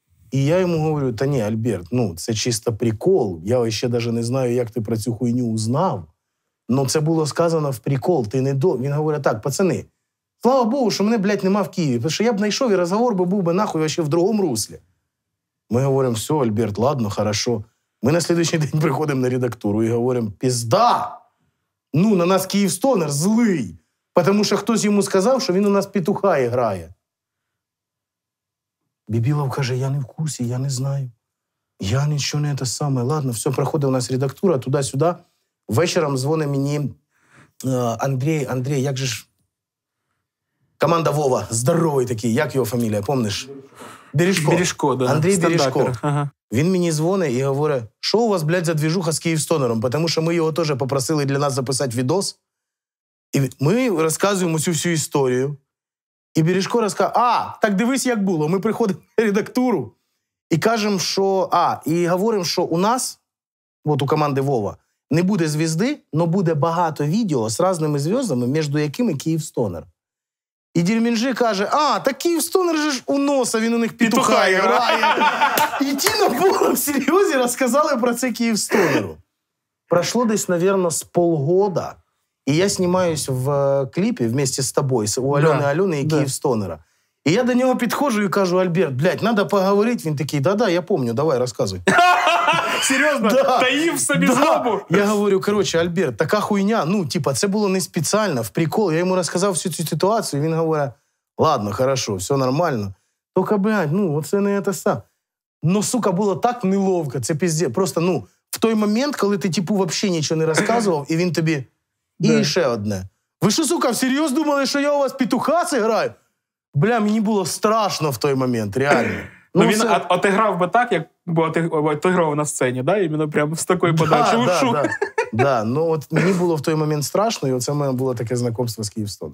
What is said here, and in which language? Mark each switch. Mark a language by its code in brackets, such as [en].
[uk] І я йому говорю, та ні, Альберт, ну, це чисто прикол. Я взагалі навіть не знаю, як ти про цю хуйню узнав. Но це було сказано в прикол. Ти не до... Він говорить, так, пацани, слава Богу, що мене, блядь, нема в Києві. Тому що я б знайшов, і розговор би був би нахуй взагалі в другому руслі. Ми говоримо, все, Альберт, ладно, хорошо. Ми на слідуючий день приходимо на редактуру і говоримо, пізда! Ну, на нас Київстонер злий! Тому що хтось йому сказав, що він у нас петуха грає. Бібілов каже, я не в курсі, я не знаю. Я нічого не те саме. Ладно, все, проходить у нас редактура туди-сюди. Вечером дзвонить мені Андрій, як же ж... Команда Вова, здоровий такий, як його фамілія, помниш? Бережко. Бережко, да. Андрій Бережко. Ага. Він мені дзвонить і говорить, що у вас, блядь, за двіжуха з Київстонером? Тому що ми його теж попросили для нас записати відос. І ми розказуємо цю всю історію. І Бережко розказує, а, так дивись, як було. Ми приходимо на редактуру і кажемо, що, а, і говоримо, що у нас, от у команди Вова, не буде звізди, але буде багато відео з різними зв'язками, між якими Київстонер. І Дерменджі каже, а, так Київстонер же ж у носа, він у них петуха грає. І ті на полу серйозі розказали про це Київстонеру. Пройшло десь, напевно, з полгода. [ru] И я снимаюсь в клипе вместе с тобой, у Алены, да, Алены и, да, Київстонера. И я до него подхожу и кажу, Альберт, блядь, надо поговорить. Он такой, да-да, я помню, давай, рассказывай. Серьезно? Таив себе злобу? Я говорю, короче, Альберт, такая хуйня. Ну, типа, это было не специально, в прикол. Я ему рассказал всю эту ситуацию, и он говорит, ладно, хорошо, все нормально. Только, блядь, ну, вот это не это сам. Но, сука, было так неловко, это пиздец. Просто, ну, в той момент, когда ты, типа, вообще ничего не рассказывал, и он тебе... [uk] Да. І ще одне. Ви що, сука, всерйоз думали, що я у вас петуха зіграю? Бля, мені було страшно в той момент, реально. Ну, він все... отіграв би так, як отіграв на сцені, да? Іменно прямо з такої подачі ушу. Да, да, ну от мені було в той момент страшно, і оце в мене було таке знайомство з Київстоном.